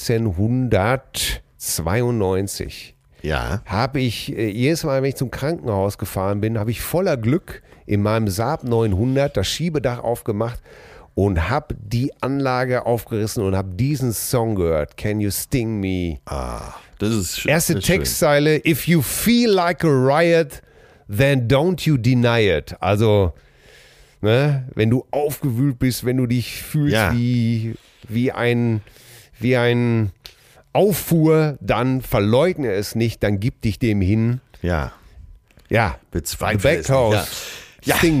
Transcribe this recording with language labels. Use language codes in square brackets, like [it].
[de] 1992, ja, habe ich jedes Mal, wenn ich zum Krankenhaus gefahren bin, habe ich voller Glück in meinem Saab 900 das Schiebedach aufgemacht und habe die Anlage aufgerissen und habe diesen Song gehört. [en] Can You Sting Me? [de] Ah, das ist schön. Erste Textzeile. [en] If you feel like a riot, then don't you deny it. [de] Also, ne, wenn du aufgewühlt bist, wenn du dich fühlst wie ein Auffuhr, dann verleugne es nicht, dann gib dich dem hin. Ja. Ja. Bezweifle The Backhouse. Ja. Sting